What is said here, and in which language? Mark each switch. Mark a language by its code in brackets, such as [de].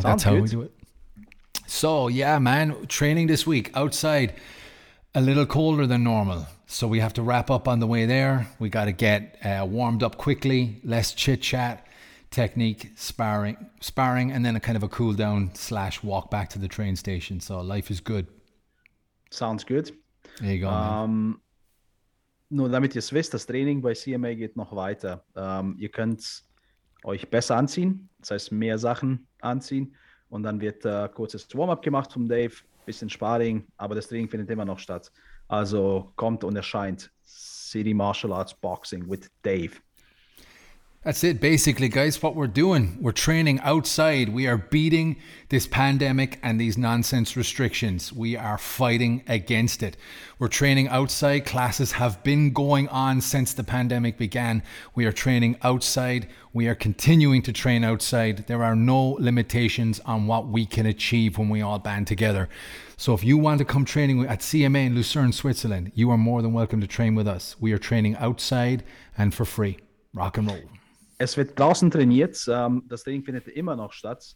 [en] Sounds That's good. How we do it. So, yeah, man, training this week outside, a little colder than normal. So we have to wrap up on the way there. We got to get warmed up quickly, less chit-chat. Technique, sparring, and then a kind of a cool down / walk back to the train station. So life is good. Sounds good. There you go. [de] Nur damit ihr wisst, das Training bei CMA geht noch weiter. Ihr könnt euch besser anziehen, das heißt mehr Sachen anziehen, und dann wird kurzes Warm-up gemacht vom Dave, bisschen Sparring, aber das Training findet immer noch statt. Also kommt und erscheint City Martial Arts Boxing with Dave. [en] That's it, basically, guys. What we're doing, we're training outside. We are beating this pandemic and these nonsense restrictions. We are fighting against it. We're training outside. Classes have been going on since the pandemic began. We are training outside. We are continuing to train outside. There are no limitations on what we can achieve when we all band together. So if you want to come training at CMA in Lucerne, Switzerland, you are more than welcome to train with us. We are training outside and for free. Rock and roll. [de] Es wird draußen trainiert. Das Training findet immer noch statt.